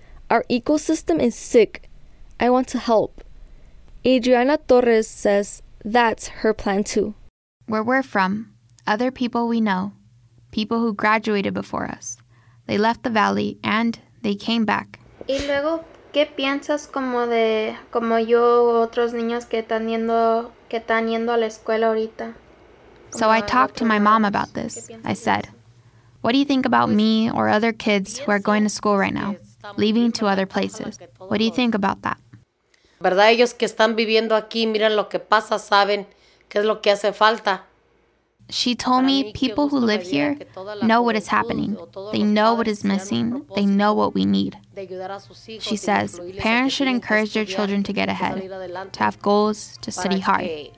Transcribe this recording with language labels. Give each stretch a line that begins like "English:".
English: Our ecosystem is sick. I want to help. Adriana Torres says that's her plan too. Where we're from, other people we know, people who graduated before us, they left the valley and they came back.
Spanish: Y luego, ¿qué piensas como de, como yo, otros niños que están yendo a la escuela ahorita?
English: So I talked to my mom about this. I said, what do you think about me or other kids who are going to school right now, leaving to other places? What do you think about that?
Spanish: ¿Verdad? Ellos que están viviendo aquí, miren lo que pasa, saben qué es lo que hace falta.
English: She told me people who live here know what is happening. They know what is missing. They know what we need. She says parents should encourage their children to get ahead, to have goals, to study hard.